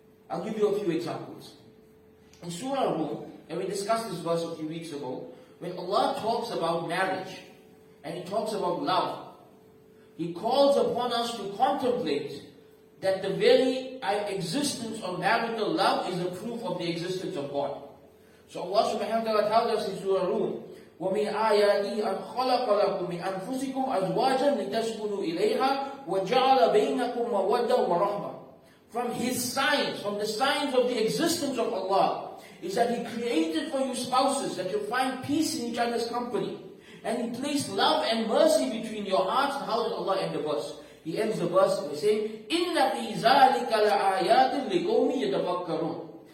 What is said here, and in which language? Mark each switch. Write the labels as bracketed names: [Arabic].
[English] I'll give you a few examples. In Surah Rum, and we discussed this verse a few weeks ago, when Allah talks about marriage, and He talks about love, He calls upon us to contemplate that that the very existence of marital love is a proof of the existence of God. So Allah subhanahu wa ta'ala tells us in Surah Rum, [Arabic] وَمِنْ آيَاتِهِ أَنْ خَلَقَ لَكُمْ مِنْ أَنفُسِكُمْ أَزْوَاجًا لِتَسْكُنُوا إِلَيْهَا وَجَعَلَ بَيْنَكُمْ مَوَدَّةً وَرَحْمَةً. [English] From His signs, from the signs of the existence of Allah, is that He created for you spouses that you find peace in each other's company. And He placed love and mercy between your hearts. How did Allah end the verse? He ends the verse by saying, [Arabic] إِنَّ فِي ذَلِكَ لَآيَاتٍ لِقَوْمٍ يَتَفَكَّرُونَ.